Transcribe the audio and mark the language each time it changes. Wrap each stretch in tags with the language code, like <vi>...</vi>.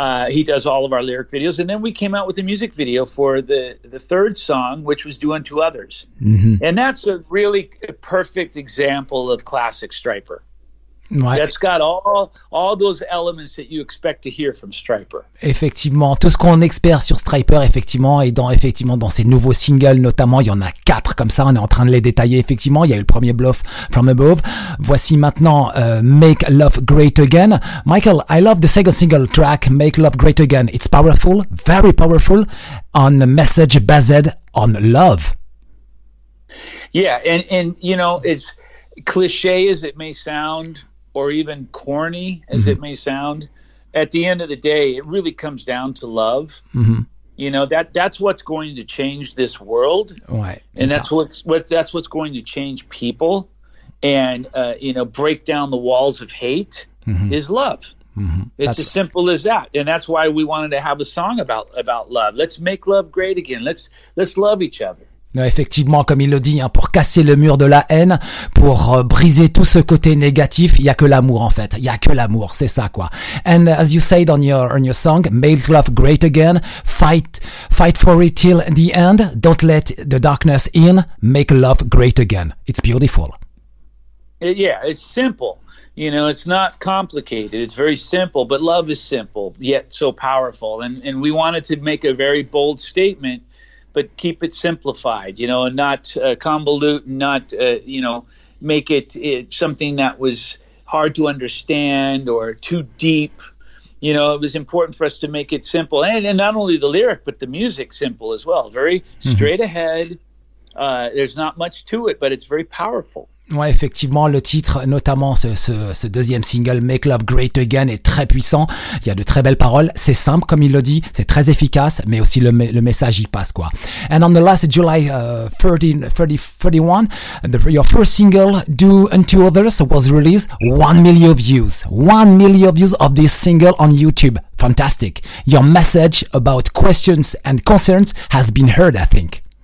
<en>He does all of our lyric videos. And then we came out with a music video for the third song, which was Do Unto Others. Mm-hmm. And that's a really perfect example of classic Stryper. Ouais. That's got all those elements that you expect to hear from Stryper.</en> <fr>Effectivement, tout ce qu'on espère sur Stryper, effectivement, dans ces nouveaux singles, notamment, il y en a quatre comme ça, on est en train de les détailler, effectivement. Il y a eu le premier Bluff from Above. Voici maintenant Make Love Great Again.</fr> <en>Michael, I love the second single track, Make Love Great Again. It's powerful, very powerful, on a message based on love. Yeah, and you know, it's cliche as it may sound, or even corny as it may sound, at the end of the day, it really comes down to love. Mm-hmm. You know, that's what's going to change this world. Ouais, and that's what's going to change people and, break down the walls of hate is love. Mm-hmm. It's as simple as that. And that's why we wanted to have a song about love. Let's make love great again. Let's love each other.</en> <fr>Effectivement, comme il le dit, pour casser le mur de la haine, pour briser tout ce côté négatif, il y a que l'amour en fait. Il y a que l'amour, c'est ça quoi.</fr> <en>And as you said on your song, make love great again, fight for it till the end, don't let the darkness in, make love great again. It's beautiful. It's simple. You know, it's not complicated. It's very simple, but love is simple, yet so powerful. And we wanted to make a very bold statement, but keep it simplified, you know, and not convolute, and not, you know, make it something that was hard to understand or too deep. You know, it was important for us to make it simple. And not only the lyric, but the music simple as well. Very straight ahead. There's not much to it, but it's very powerful.</en> <fr>Ouais, effectivement, le titre, notamment ce deuxième single, Make Love Great Again, est très puissant. Il y a de très belles paroles. C'est simple, comme il le dit. C'est très efficace, mais aussi le message y passe, quoi.</fr> <en>And on the last July 31, your first single, Do Unto Others, was released. 1 million views. 1 million views of this single on YouTube. Fantastic. Your message about questions and concerns has been heard, I think.</en>